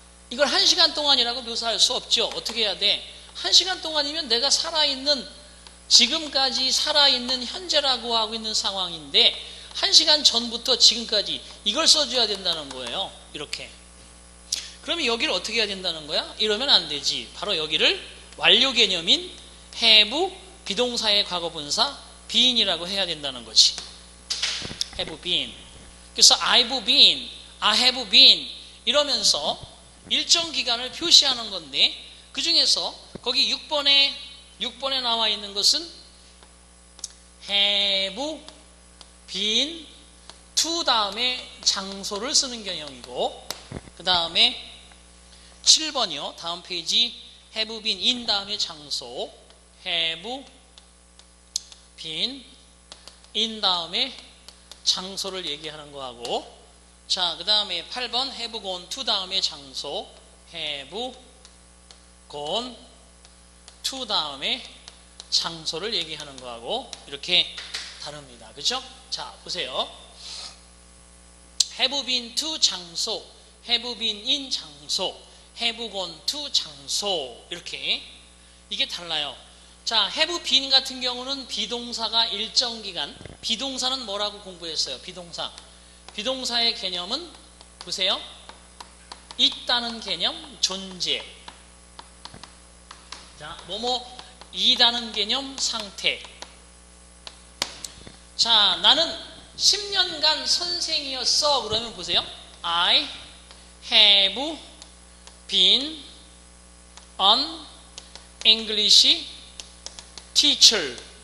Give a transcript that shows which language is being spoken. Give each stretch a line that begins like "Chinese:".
Korean: 이걸 1시간 동안이라고 묘사할 수 없죠. 어떻게 해야 돼? 한 시간 동안이면 내가 살아있는, 지금까지 살아있는 현재라고 하고 있는 상황인데, 한 시간 전부터 지금까지 이걸 써줘야 된다는 거예요. 이렇게. 그러면 여기를 어떻게 해야 된다는 거야? 이러면 안 되지. 바로 여기를 완료 개념인 have, 비동사의 과거 분사, been이라고 해야 된다는 거지.
English: have been. 그래서 I've been, I have been.
Korean: 이러면서 일정 기간을 표시하는 건데, 그 중에서 거기 6번에 나와 있는 것은 have been to 다음에 장소를 쓰는 경향이고, 그 다음에 7번이요. 다음 페이지 have been in 다음에 장소. have been in 다음에 장소를 얘기하는 거 하고, 자, 그 다음에 8번 have gone to 다음에 장소. have gone to 다음에 장소를 얘기하는 거하고 이렇게 다릅니다. 그죠? 자, 보세요.
English: Have been to 장소, have been in 장소, have gone to 장소.
Korean: 이렇게. 이게 달라요. 자, have been 같은 경우는 비동사가 일정 기간, 비동사는 뭐라고 공부했어요? 비동사. 비동사의 개념은 보세요. 있다는 개념, 존재. 자, 뭐뭐 이다는 개념 상태. 자, 나는 10년간 선생이었어. 그러면 보세요.
English: I have been an English teacher.